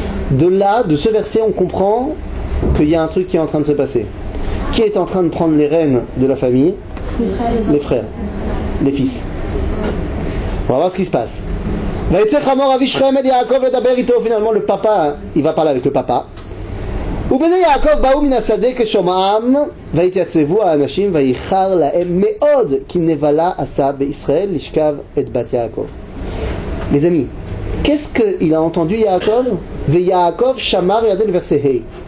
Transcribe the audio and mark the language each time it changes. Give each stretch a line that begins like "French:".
French: De là, de ce verset, on comprend qu'il y a un truc qui est en train de se passer. Qui est en train de prendre les rênes de la famille? Les frères. Les fils. On va voir ce qui se passe. Finalement, le papa, il va parler avec le papa.
Hebrew: ובני יעקב באו מן השדה כשומעם והתייצבו האנשים ויחר להם מאוד כי נבלה עשה בישראל לשכב את בת יעקב.
French: Mes amis, qu'est-ce qu'il a entendu Yaakov?
Hebrew: ויעקב שמע,
French: regardez le verset hey.